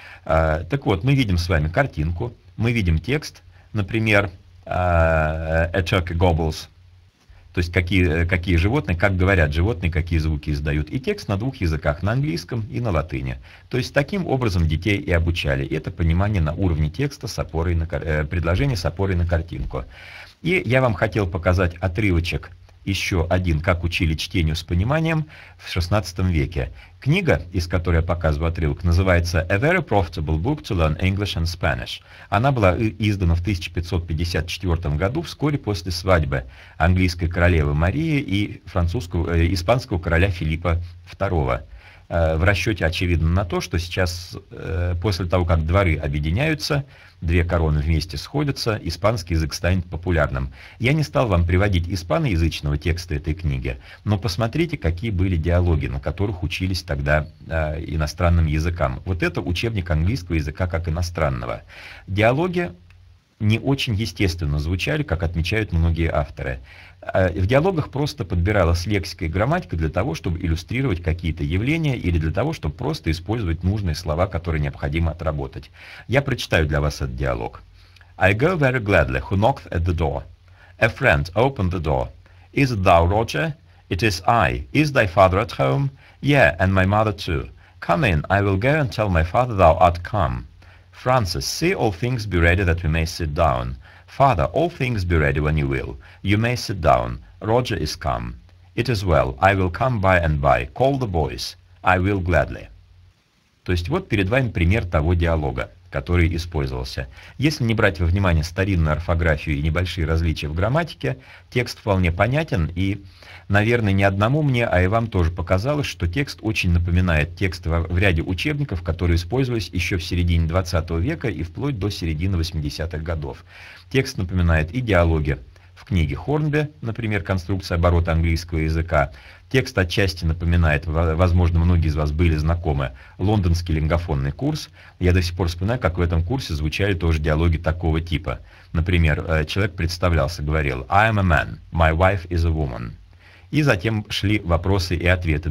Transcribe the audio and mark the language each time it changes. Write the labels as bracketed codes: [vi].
[ru] Так вот, мы видим с вами картинку, мы видим текст, например, [en] «A turkey gobbles», [ru] то есть какие животные, как говорят животные, какие звуки издают, и текст на двух языках, на английском и на латыни. То есть таким образом детей и обучали. И это понимание на уровне текста с опорой на предложение с опорой на картинку. И я вам хотел показать отрывочек еще один, как учили чтению с пониманием в XVI веке. Книга, из которой я показываю отрывок, называется [en] «A very profitable book to learn English and Spanish». [ru] Она была издана в 1554 году, вскоре после свадьбы английской королевы Марии и французского, испанского короля Филиппа II. В расчете очевидно на то, что сейчас, после того, как дворы объединяются, две короны вместе сходятся, испанский язык станет популярным. Я не стал вам приводить испаноязычного текста этой книги, но посмотрите, какие были диалоги, на которых учились тогда иностранным языкам. Вот это учебник английского языка как иностранного. Диалоги не очень естественно звучали, как отмечают многие авторы. В диалогах просто подбиралась лексика и грамматика для того, чтобы иллюстрировать какие-то явления или для того, чтобы просто использовать нужные слова, которые необходимо отработать. Я прочитаю для вас этот диалог. [en] I go very gladly. Who knocked at the door? A friend opened the door. Is it thou, Roger? It is I. Is thy father at home? Yeah, and my mother too. Come in, I will go and tell my father thou art come. Francis, see all things be ready that we may sit down. Father, all things be ready when you will. You may sit down. Roger is come. It is well. I will come by and by. Call the boys. I will gladly. [ru] То есть вот перед вами пример того диалога, который использовался. Если не брать во внимание старинную орфографию и небольшие различия в грамматике, текст вполне понятен, и, наверное, не одному мне, а и вам тоже показалось, что текст очень напоминает текст в ряде учебников, которые использовались еще в середине 20 века и вплоть до середины 80-х годов. Текст напоминает и диалоги в книге Хорнби, например, «Конструкция оборота английского языка». Текст отчасти напоминает, возможно, многие из вас были знакомы, лондонский лингофонный курс. Я до сих пор вспоминаю, как в этом курсе звучали тоже диалоги такого типа. Например, человек представлялся, говорил [en] «I am a man, my wife is a woman». [ru] И затем шли вопросы и ответы.